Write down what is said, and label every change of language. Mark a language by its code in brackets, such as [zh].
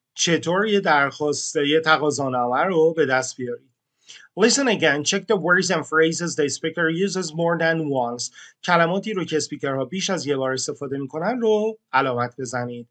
[fa] چطور یه درخواست یه تقاضانامه رو به دست بیاری. [en] Listen again. Check the words and phrases the speaker uses more than once. [fa] کلماتی رو که سپیکرها بیش از یه بار استفاده میکنن رو علامت بزنید.